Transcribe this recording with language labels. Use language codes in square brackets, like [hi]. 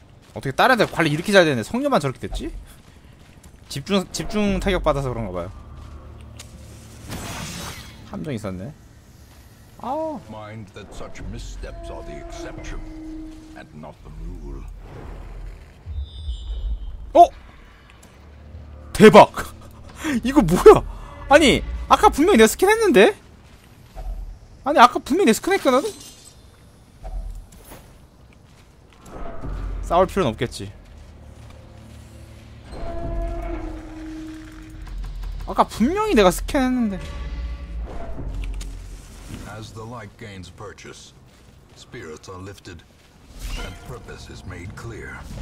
[ko] 어떻게 딸한테 관리 이렇게 잘 되는데 성녀만 저렇게 됐지? 집중 타격 받아서 그런가 봐요. 함정 있었네. 아우. [en] Mind that such missteps are the exception and not the rule. [ko] 어? 대박. 이거 뭐야? 아니, 아까 분명히 내가 스캔했는데. 아니, 아까 분명히 내가 스캔했거든. 싸울 필요는 없겠지. 아까 분명히 내가 스캔했는데. [en] As the light gains purchase, spirits are lifted and purpose is made clear.